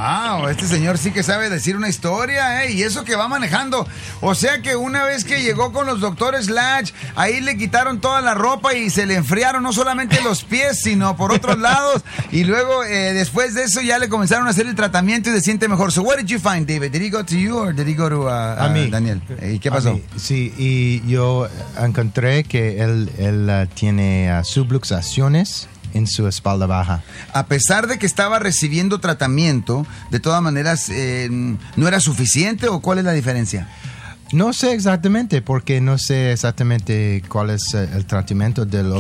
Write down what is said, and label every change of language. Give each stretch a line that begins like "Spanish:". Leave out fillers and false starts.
Spanish: Wow, este señor sí que sabe decir una historia, ¿eh? Y eso que va manejando. O sea que una vez que llegó con los doctores Lach, ahí le quitaron toda la ropa y se le enfriaron no solamente los pies, sino por otros lados. Y luego, después de eso, ya le comenzaron a hacer el tratamiento y se siente mejor.
English: So, what did you find, David? Did he go to you or did he go to
Spanish: a mí. Daniel? ¿Y qué pasó? Sí, y yo encontré que él tiene subluxaciones en su espalda baja. A pesar de que estaba recibiendo tratamiento, de todas maneras, ¿no era suficiente o cuál es la diferencia? No sé exactamente, porque no sé exactamente cuál es el tratamiento del otro